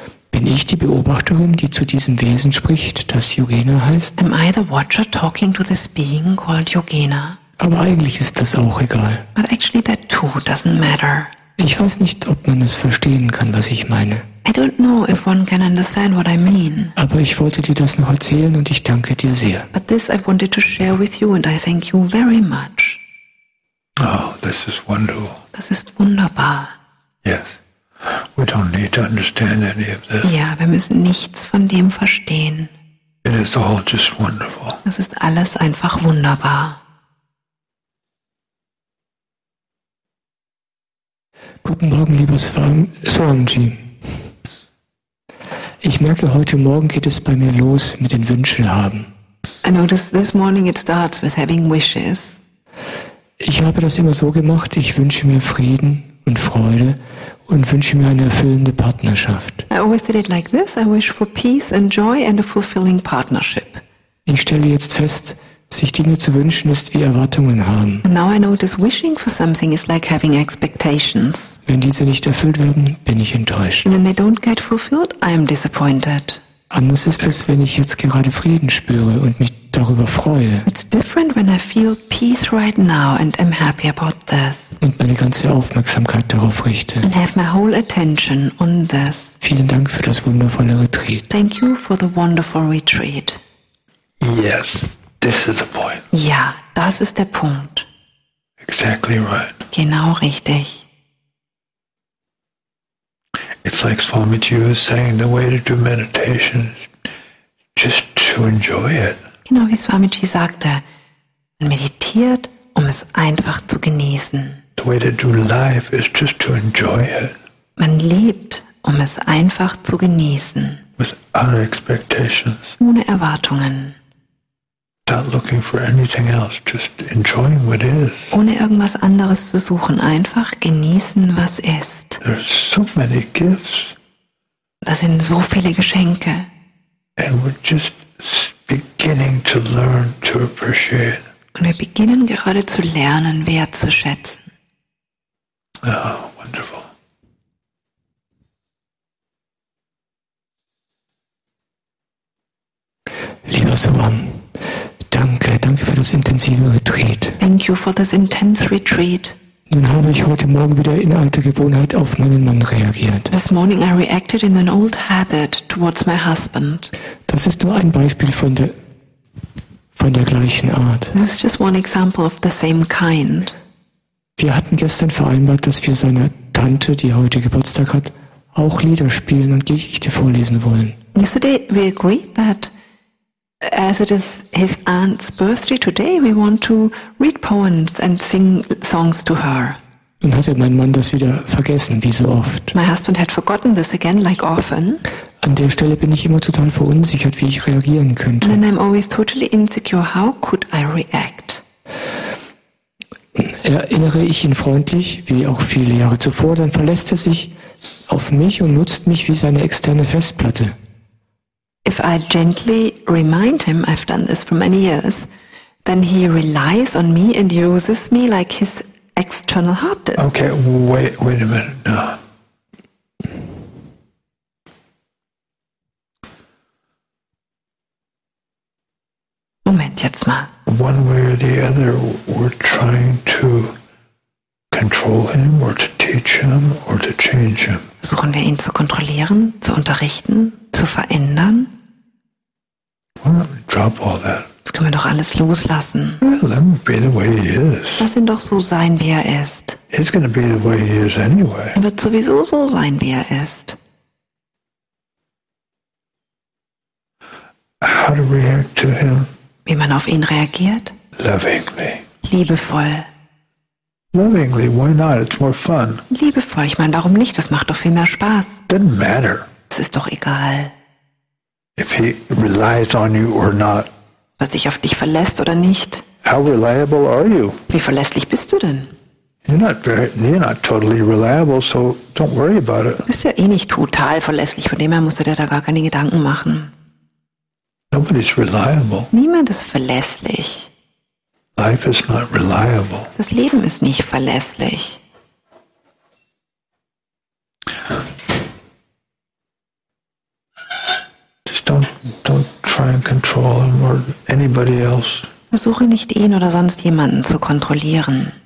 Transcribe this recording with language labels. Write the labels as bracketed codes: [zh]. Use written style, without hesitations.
[de] Bin ich die Beobachterin, die zu diesem Wesen spricht, das Yogena heißt? [en] Am I the watcher talking to this being called Yogena? [de] Aber eigentlich ist das auch egal. [en] But actually that too doesn't matter. [de] Ich weiß nicht, ob man es verstehen kann, was ich meine. [en] I don't know if one can understand what I mean. [de] Aber ich wollte dir das noch erzählen und ich danke dir sehr. [en] But this I wanted to share with you and I thank you very much. Oh, this is wonderful. [de] Das ist wunderbar. [en] Yes. We don't need to understand any of this. [de] Ja, wir müssen nichts von dem verstehen. [en] It is all just wonderful. [de] Das ist alles einfach wunderbar. Guten Morgen, liebes Swamiji. Ich merke, heute Morgen geht es bei mir los mit den Wünschen haben. [en] I noticed this morning it starts with having wishes. [de] Ich habe das immer so gemacht, ich wünsche mir Frieden und Freude und wünsche mir eine erfüllende Partnerschaft. [en] I always did it like this, I wish for peace and joy and a fulfilling partnership. [de] Ich stelle jetzt fest, sich Dinge zu wünschen ist wie Erwartungen haben. [en] Now I notice wishing for something is like having expectations. [de] Wenn diese nicht erfüllt werden, bin ich enttäuscht. [en] And when they don't get fulfilled, I am disappointed. [de] Anders ist es, wenn ich jetzt gerade Frieden spüre und mich darüber freue. [en] It's different when I feel peace right now and am happy about this. [de] Und meine ganze Aufmerksamkeit darauf richte. [en] And have my whole attention on this. [de] Vielen Dank für das wundervolle Retreat. [en] Thank you for the wonderful retreat. Yes. This is the point. [de] Ja, das ist der Punkt. [en] Exactly right. [de] Genau richtig. [en] If like Swamiji was saying, the way to do meditation is just to enjoy it. [de] Genau wie Swamiji sagte, man meditiert, um es einfach zu genießen. [en] The way to do life is just to enjoy it. [de] Man lebt, um es einfach zu genießen. [en] Without expectations. [de] Ohne Erwartungen. [en] Not looking for anything else, just enjoying what is. [de] Ohne irgendwas anderes zu suchen, einfach genießen, was ist. [en] There are so many gifts. [de] Da sind so viele Geschenke. [en] And we're just beginning to learn to appreciate. [de] Und wir beginnen gerade zu lernen, wertzuschätzen. [en] Oh, wonderful. [de] Lieber Sumam, danke, danke für das intensive Retreat. [en] Thank you for this intense retreat. [de] Nun habe ich heute Morgen wieder in alter Gewohnheit auf meinen Mann reagiert. [en] This morning I reacted in an old habit towards my husband. [de] Das ist nur ein Beispiel von der gleichen Art. [en] This is just one example of the same kind. [de] Wir hatten gestern vereinbart, dass wir seiner Tante, die heute Geburtstag hat, auch Lieder spielen und Gedichte vorlesen wollen. [en] Yesterday we agreed that as it is his aunt's birthday today, we want to read poems and sing songs to her. [de] Und hatte mein Mann das wieder vergessen, wie so oft. [en] My husband had forgotten this again, like often. [de] An der Stelle bin ich immer total verunsichert, wie ich reagieren könnte. [en] And I'm always totally insecure. How could I react? [de] Erinnere ich ihn freundlich, wie auch viele Jahre zuvor, dann verlässt er sich auf mich und nutzt mich wie seine externe Festplatte. [en] If I gently remind him, I've done this for many years, then he relies on me and uses me like his external hard disk. Okay, wait a minute. No. [de] Moment, jetzt mal. [en] One way or the other, we're trying to control him or to teach him or to change him. [de] Suchen wir ihn zu kontrollieren, zu unterrichten, zu verändern? [en] Drop all that. [de] Das können wir doch alles loslassen. [en] Well, let him be the way he is. [de] Lass ihn doch so sein, wie er ist. [en] He's gonna be the way he is anyway. [de] Er wird sowieso so sein, wie er ist. [en] How to react to him? [de] Wie man auf ihn reagiert? [en] Lovingly. [de] Liebevoll. [en] Lovingly, why not? It's more fun. [de] Liebevoll, ich meine, warum nicht? Das macht doch viel mehr Spaß. [en] Doesn't matter. [de] Es ist doch egal. [en] If he relies on you or not. [de] Was sich auf dich verlässt oder nicht. [en] How reliable are you? [de] Wie verlässlich bist du denn? [en] You're not totally reliable, so don't worry about it. [de] Du bist ja nicht total verlässlich, von dem her musst du dir da gar keine Gedanken machen. [en] Nobody's reliable. [de] Niemand ist verlässlich. [en] Life is not reliable. [de] Das Leben ist nicht verlässlich. [en] Don't try and control him or anybody else. [de] Versuche nicht ihn oder sonst jemanden zu kontrollieren.